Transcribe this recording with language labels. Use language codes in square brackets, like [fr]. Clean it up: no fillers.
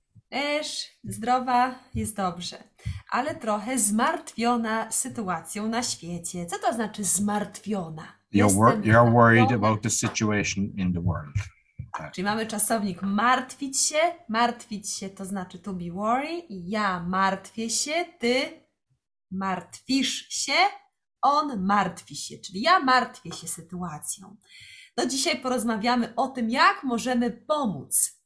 [pl] Esz, zdrowa, jest dobrze, ale trochę zmartwiona sytuacją na świecie. Co to znaczy zmartwiona? [en] You're worried about the situation in the world. Okay. [pl] Czyli mamy czasownik martwić się to znaczy [en] to be worry. [pl] Ja martwię się, ty martwisz się, on martwi się, czyli ja martwię się sytuacją. No dzisiaj porozmawiamy o tym, jak możemy pomóc.